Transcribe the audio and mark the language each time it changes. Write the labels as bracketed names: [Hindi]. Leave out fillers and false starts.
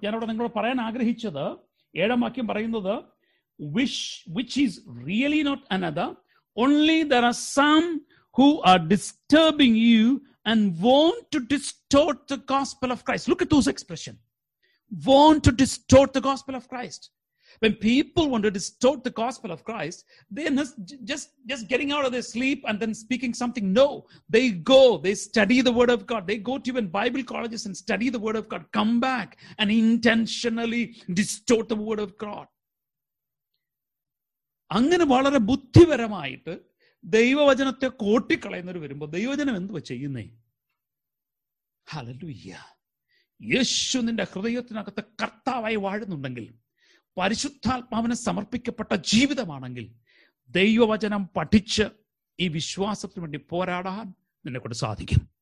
[Malayalam] ഞാൻ അവിടെ നിങ്ങളോട് പറയാൻ ആഗ്രഹിച്ചത് ഏഴാം വാക്യം പറയുന്നത് [English] which is really not another, only there are some who are disturbing you and want to distort the gospel of Christ. Look at those expressions. Want to distort the gospel of Christ. When people want to distort the gospel of Christ, they're just getting out of their sleep and then speaking something. No, they go, they study the word of God. They go to even Bible colleges and study the word of God, come back and intentionally distort the word of God. [Malayalam] അങ്ങനെ വളരെ ബുദ്ധിപരമായിട്ട് ദൈവവചനത്തെ കോട്ടിക്കളയുന്നവർ വരുമ്പോ ദൈവവചനം എന്തുവാ ചെയ്യുന്നേ? Hallelujah. യേശു നിന്റെ ഹൃദയത്തിനകത്ത് കർത്താവായി വാഴുന്നുണ്ടെങ്കിൽ, പരിശുദ്ധാത്മാവിന് സമർപ്പിക്കപ്പെട്ട ജീവിതമാണെങ്കിൽ, ദൈവവചനം പഠിച്ച് ഈ വിശ്വാസത്തിന് വേണ്ടി പോരാടാൻ നിന്നെ കൊണ്ട് സാധിക്കും.